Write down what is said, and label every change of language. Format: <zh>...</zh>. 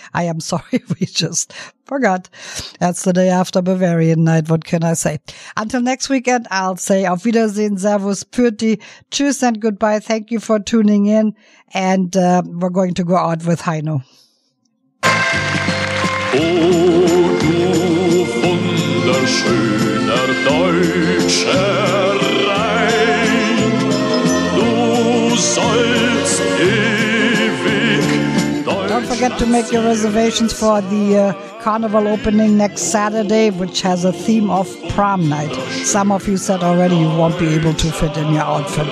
<en>I am sorry, we just forgot. That's the day after Bavarian night. What can I say? Until next weekend, I'll say</en> <de>auf Wiedersehen, Servus, Pürti, tschüss</de> <en>and goodbye. Thank you for tuning in. And we're going to go out with Heino.</en> <de>O du wunderschöner deutscher Rhein, du sollst ewig Deutschland.</de> <en>Don't forget to make your reservations for the carnival opening next Saturday, which has a theme of prom night. Some of you said already you won't be able to fit in your outfit.</en>